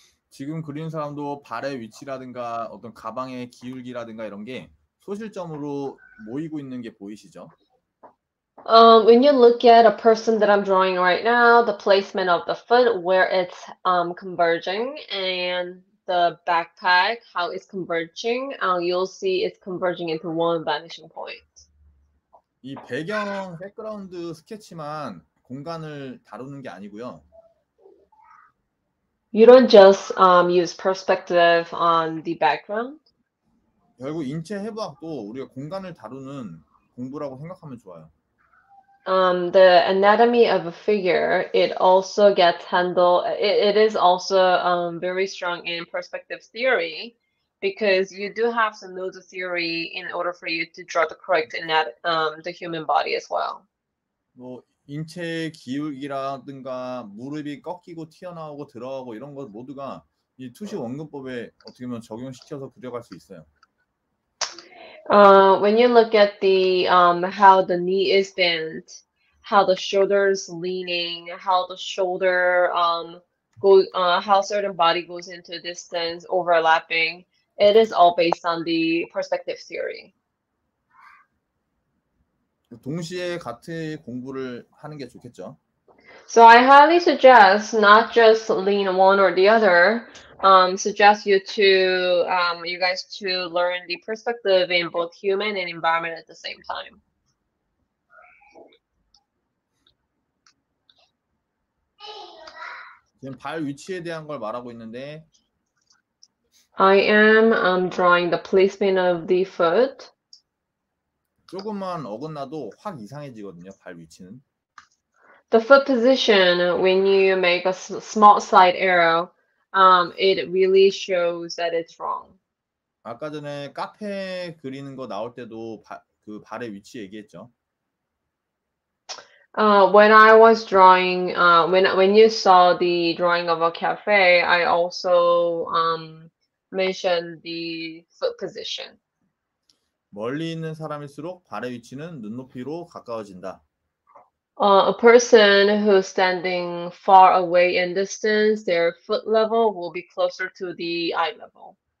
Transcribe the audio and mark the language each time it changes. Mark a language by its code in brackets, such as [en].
[ko] 지금 그린 사람도 발의 위치라든가 어떤 가방의 기울기라든가 이런 게 소실점으로 모이고 있는 게 보이시죠? [en] When you look at a person that I'm drawing right now, the placement of the foot, where it's converging, and the backpack, how it's converging, you'll see it's converging into one vanishing point. [ko] 이 배경, 백그라운드 스케치만 공간을 다루는 게 아니고요. [en] You don't just use perspective on the background. [ko] 결국 인체 해부학도 우리가 공간을 다루는 공부라고 생각하면 좋아요. [en] The anatomy of a figure, it also gets handled, it is also very strong in perspective theory, because you do have to know the theory in order for you to draw the correct the human body as well. [ko] 뭐 인체의 기울기라든가 무릎이 꺾이고 튀어나오고 들어가고 이런 것 모두가 이 투시 원근법에 어떻게 보면 적용시켜서 그려갈 수 있어요. [en] When you look at the how the knee is bent, how the shoulders leaning, how the shoulder go how certain body goes into distance, overlapping, it is all based on the perspective theory. [ko] 동시에 같이 공부를 하는 게 좋겠죠. [en] So I highly suggest not just lean one or the other. Suggest you to you guys to learn the perspective in both human and environment at the same time. [ko] 지금 발 위치에 대한 걸 말하고 있는데 [en] I am drawing the placement of the foot. [ko] 조금만 어긋나도 확 이상해지거든요, 발 위치는. [en] The foot position, when you make a small slight error, it really shows that it's wrong. [ko] 아까 전에 카페 그리는 거 나올 때도 그 발의 위치 얘기했죠. [en] When I was drawing, when you saw the drawing of a cafe, I also mentioned the foot position. [ko] 멀리 있는 사람일수록 발의 위치는 눈높이로 가까워진다. [en] A person who's standing far away in distance, their foot level will be closer to the eye level.